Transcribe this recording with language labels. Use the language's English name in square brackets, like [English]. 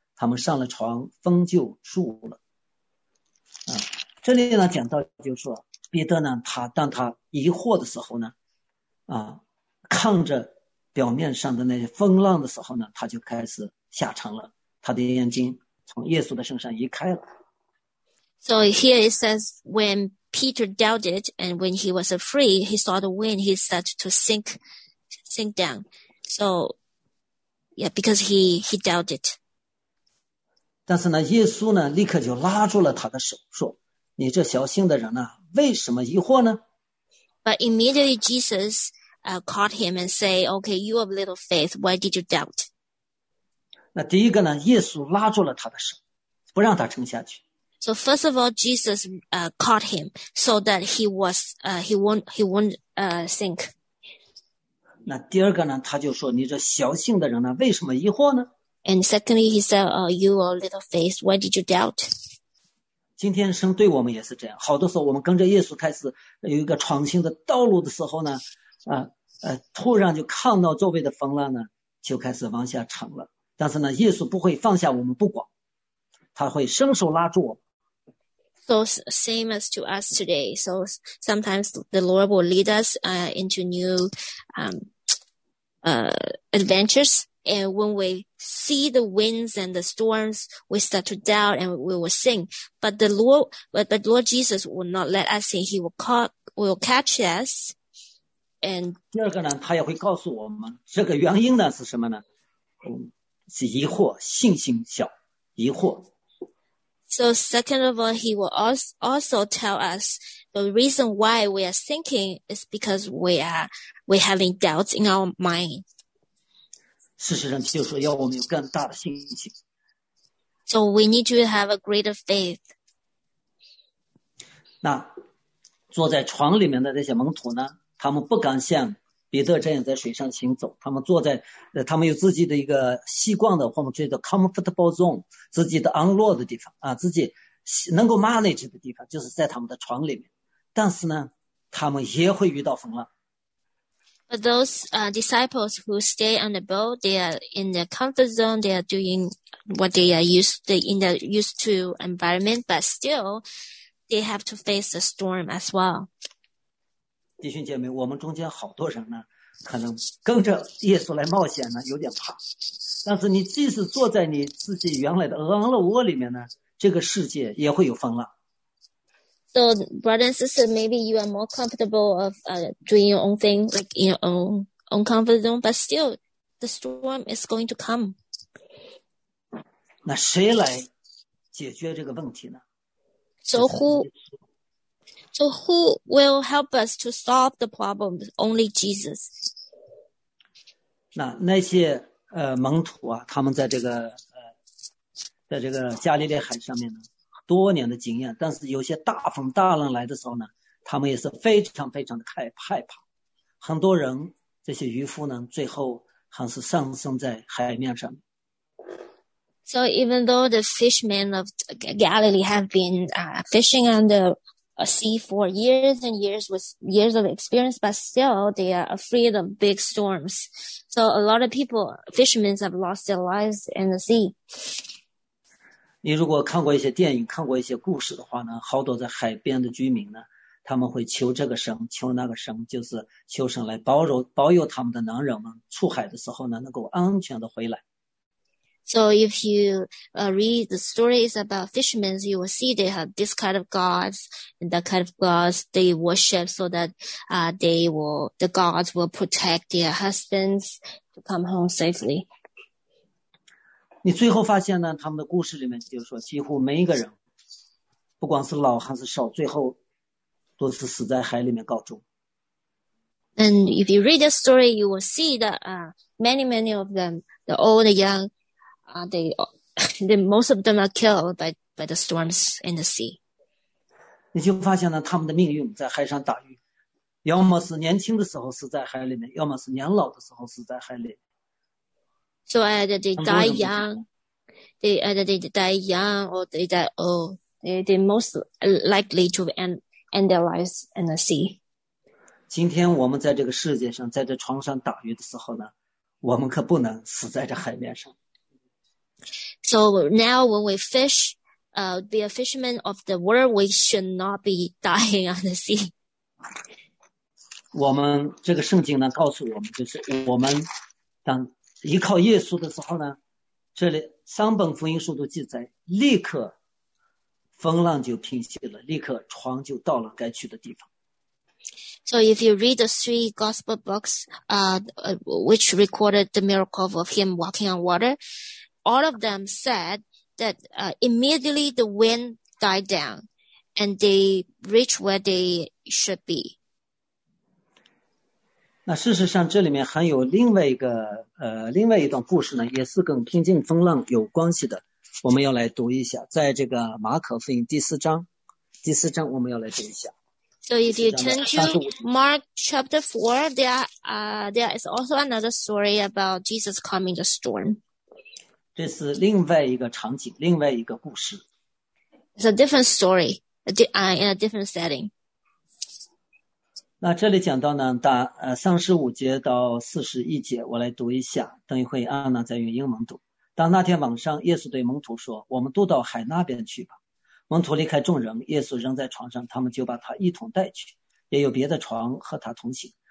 [Chinese] 他们上了床，风就住了。这里呢讲到就是说，彼得呢，当他疑惑的时候呢，看着表面上的那些风浪的时候呢，他就开始下沉了，他的眼睛从耶稣的身上移开了。 [English] So here it says, when Peter doubted and when he was afraid, he saw the wind. He started to sink down. So, yeah, because he doubted. [Chinese] 但是呢，耶稣呢，立刻就拉住了他的手，说：“你这小信的人呢、啊，为什么疑惑呢？” [English] But immediately Jesus caught him and say, "Okay, you of little faith, why did you doubt?" [Chinese] 那第一个呢，耶稣拉住了他的手，不让他沉下去。 [English] So first of all, Jesus caught him so that he won't sink. [Chinese] 那第二个呢，他就说：“你这小信的人呢，为什么疑惑呢？” [English] And secondly, he said, "You are little faith, why did you doubt?" [Chinese] 今天神对我们也是这样，好多时候我们跟着耶稣开始有一个闯新的道路的时候呢，突然就看到周围的风浪呢，就开始往下沉了。但是呢，耶稣不会放下我们不管，他会伸手拉住我们。 [English] So same as to us today. So sometimes the Lord will lead us into new adventures. And when we see the winds and the storms, we start to doubt and we will sink. But the Lord, but Lord Jesus will not let us sink. He will catch us. And [Chinese] 第二个呢，他也会告诉我们这个原因呢是什么呢？是疑惑，信心小，疑惑。 [English] So second of all, he will also tell us the reason why we are thinking is because we're having doubts in our mind. [Chinese] 事实上，就是要我们有更大的信心。 [English] So we need to have a greater faith. [Chinese] 那坐在床里面的那些门徒呢？他们不敢像彼得这样在水上行走，他们坐在，他们有自己的一个习惯的，或者叫做 [English] comfortable zone， [Chinese] 自己的安乐的地方啊，自己能够 manage 的地方，就是在他们的床里面。但是呢，他们也会遇到风浪。 [English] But those disciples who stay on the boat, they are in the comfort zone. They are doing what they are used to environment, but still, they have to face the storm as well. [Chinese] 弟兄姐妹，我们中间好多人呢，可能跟着耶稣来冒险呢，有点怕。但是你即使坐在你自己原来的安乐窝里面呢，这个世界也会有风浪。 [English] So, brother and sister, maybe you are more comfortable of doing your own thing, like in your own comfort zone, but still, the storm is going to come. [Chinese] 那谁来解决这个问题呢？ [English] So who will help us to solve the problems? Only Jesus. [Chinese] 那些门徒啊，他们在这个在这个加利利海上面呢，多年的经验，但是有些大风大浪来的时候呢，他们也是非常非常的害怕。很多人，这些渔夫呢，最后还是丧生在海面上。 [English] So even though the fishermen of Galilee have been fishing on the sea for years and years with years of experience, but still they are afraid of big storms. So a lot of people, fishermen have lost their lives in the sea. [Chinese] 你如果看过一些电影，看过一些故事的话呢，好多在海边的居民呢，他们会求这个神，求那个神，就是求神来保佑他们的男人们出海的时候呢，能够安全的回来。 [English] So if you read the stories about fishermen, you will see they have this kind of gods, and that kind of gods they worship so that the gods will protect their husbands to come home safely. [Chinese] 你最后发现呢，他们的故事里面就是说，几乎每一个人，不管是老还是少，最后都是死在海里面告终。 [English] And if you read the story, you will see that many of them, the old, the young,most of them are killed by the storms in the sea. [Chinese] 你就发现呢，他们的命运在海上打鱼，要么是年轻的时候死在海里面，要么是年老的时候死在海里。 [English] So either they die young or they die old. They most likely to end their lives in the sea. [Chinese] 今天我们在这个世界上，在这床上打鱼的时候呢，我们可不能死在这海面上。 [English] So now when we fish, be a fisherman of the world, we should not be dying on the sea. [Chinese] 我们这个圣经呢告诉我们，就是我们当依靠耶稣的时候呢，这里三本福音书都记载，立刻风浪就平息了，立刻船就到了该去的地方。 [English] So if you read the three gospel books, which recorded the miracle of him walking on water,all of them said that immediately the wind died down and they reached where they should be. [Chinese] 那事实上这里面还有另外一段故事呢，也是跟平静风浪有关系的，我们要来读一下，在这个马可福音第四章我们要来读一下。 [English] So if you turn to Mark chapter 4, there is also another story about Jesus calming the storm. [Chinese] 这是另外一个场景，另外一个故事。 [English] It's a different story, in a different setting. [Chinese] 那这里讲到呢，35节到41节，我来读一下，等一会安娜再用英文读。当那天晚上，耶稣对门徒说，我们渡到海那边去吧。门徒离开众人，耶稣仍在船上，他们就把他一同带去，也有别的船和他同行。